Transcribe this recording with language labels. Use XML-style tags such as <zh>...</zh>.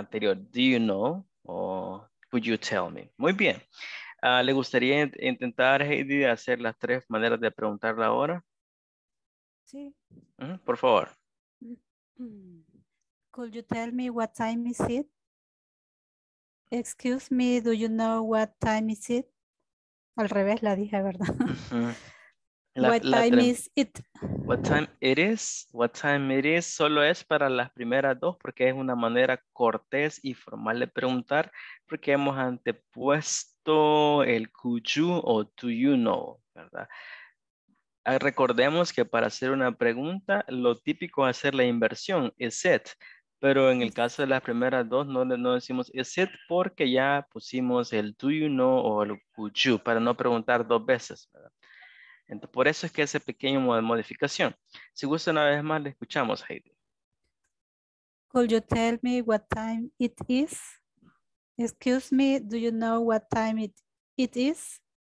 <es>Anterior,</es> <en>do you know o could you tell me?</en> <es>Muy bien. ¿Le gustaría intentar, Heidi, hacer las tres maneras de preguntar la hora? Sí. Por favor.</es> <en>Could you tell me what time is it? Excuse me, do you know what time is it?</en> <es>Al revés la dije, ¿verdad?</es> <en>What time it is</en> <es>solo es para las primeras dos porque es una manera cortés y formal de preguntar porque hemos antepuesto el</es> <en>could you</en> <es>o</es> <en>do you know,</en> <es>¿verdad? Recordemos que para hacer una pregunta lo típico es hacer la inversión,</es> <en>is it?</en> <es>Pero en el caso de las primeras dos, no decimos</es> <en>is it</en> <es>porque ya pusimos el</es> <en>do you know</en> <es>o el</es> <en>could you</en> <es>para no preguntar dos veces, ¿verdad? Entonces, por eso es que ese pequeño modificación. Si gusta una vez más, le escuchamos, Heidi.</es> <en>Could you tell me what time it is? Excuse me, do you know what time it is?</en>